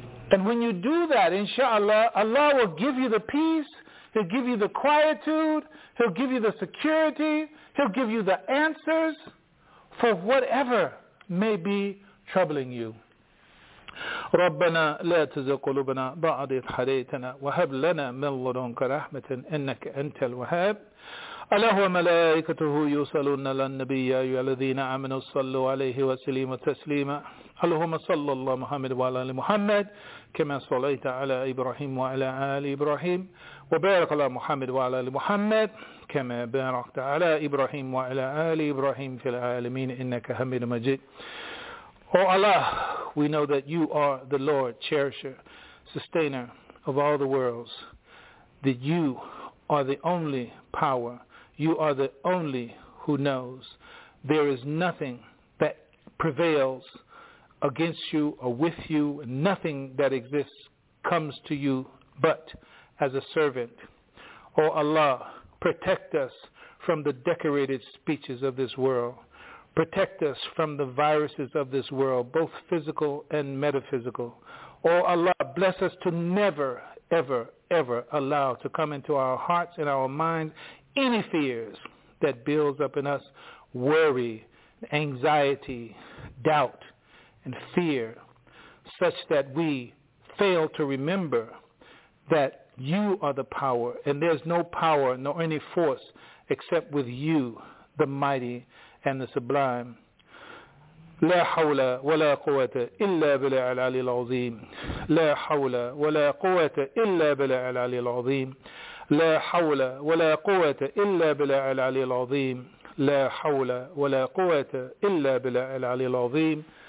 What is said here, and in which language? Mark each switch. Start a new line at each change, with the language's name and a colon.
English: And when you do that, inshallah, Allah will give you the peace. He'll give you the quietude. He'll give you the security. He'll give you the answers for whatever may be troubling you.
Arabic: ربنا لا تزغ قلوبنا بعد إذ هديتنا وهب لنا من لدنك رحمة إنك أنت الوهاب. ألا هو ملائكته يصلون على النبي يا أيها الذين آمنوا صلوا عليه وسلموا تسليما. اللهم صل الله محمد وعلى آل محمد كما صليت على إبراهيم وعلى آل إبراهيم وبارك على محمد وعلى آل محمد كما باركت على إبراهيم وعلى آل إبراهيم في العالمين إنك حميد مجيد.
English: O Allah, we know that you are the Lord, cherisher, sustainer of all the worlds, that you are the only power, you are the only who knows. There is nothing that prevails against you or with you, and nothing that exists comes to you but as a servant. O Allah, protect us from the decorated speeches of this world. Protect us from the viruses of this world, both physical and metaphysical. O Allah, bless us to never, ever, ever allow to come into our hearts and our minds any fears that builds up in us worry, anxiety, doubt, and fear, such that we fail to remember that you are the power, and there's no power nor any force except with you, the mighty and the sublime.
Arabic: لا حول ولا قوة إلا بالعلي العظيم. لا حول ولا قوة إلا بالعلي العظيم. لا حول ولا قوة إلا بالعلي العظيم. لا حول ولا قوة إلا بالعلي العظيم.